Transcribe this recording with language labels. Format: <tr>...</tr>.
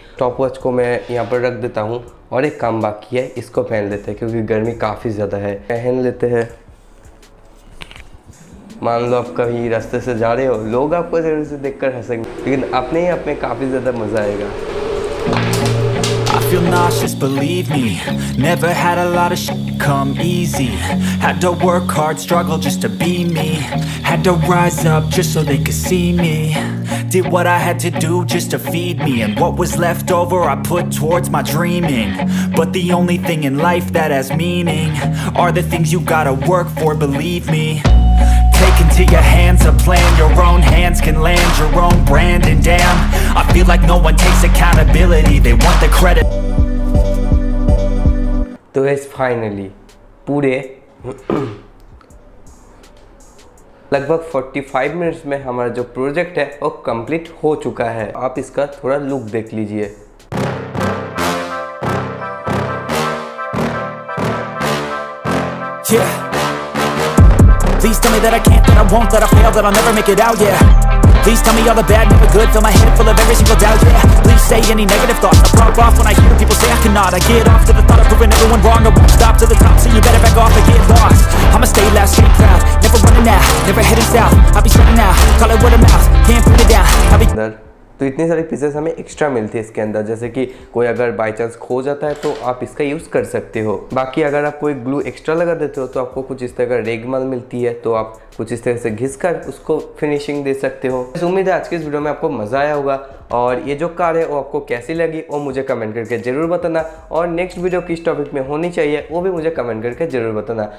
<hi>Stop watch को मैं यहाँ पर रख देता हूँ। और एक काम बाकी है, इसको पहन लेते हैं क्योंकि गर्मी काफ़ी ज़्यादा है। पहन लेते हैं। मान लो आप कहीं रास्ते से जा रहे हो, लोग आपको जरूर से देख कर हंसेंगे, लेकिन अपने ही अपने काफी ज्यादा मजा आएगा।</hi> <en>I feel nauseous, believe me. Never had a lot of shit come easy. Had to work hard, struggle just to be me. Had to rise up just so they could see me. Did what I had to do just to feed me. And what was left over I put towards my dreaming. But the only thing in life that has meaning are the things you gotta work for, believe me. Take into your hands a plan. Your own hands can land your own brand. And damn, I feel like no one takes accountability. They want the credit.</en> <hi>तो guys finally पूरे लगभग 45 minutes में हमारा जो project है वो complete हो चुका है। आप इसका थोड़ा लुक देख लीजिए।</hi> <en>Yeah. Please tell me that I can't, that I won't, that I fail, that I'll never make it out, yeah. Please tell me all the bad, never good, fill my head full of every single doubt, yeah. Please say any negative thoughts, I pop off when I hear people say I cannot. I get off to the thought of proving everyone wrong. I won't stop to the top, so you better back off or get lost. I'ma stay loud, stay proud, never running out, never heading south. I'll be shutting out, call it word of mouth, can't put it down, I'll be...</en> <hi>तो इतने सारे pieces हमें extra मिलते हैं इसके अंदर, जैसे कि कोई अगर बाय चांस खो जाता है तो आप इसका यूज़ कर सकते हो। बाकी अगर आप कोई ग्लू एक्स्ट्रा लगा देते हो तो आपको कुछ इस तरह का रेगमाल मिलती है, तो आप कुछ इस तरह से घिसकर उसको फिनिशिंग दे सकते हो। तो उम्मीद है आज के इस वीडियो में आपको मज़ा आया होगा। और ये जो कार है वो आपको कैसी लगी वो मुझे कमेंट करके ज़रूर बताना, और नेक्स्ट वीडियो किस टॉपिक में होनी चाहिए वो भी मुझे कमेंट करके ज़रूर बताना।</hi>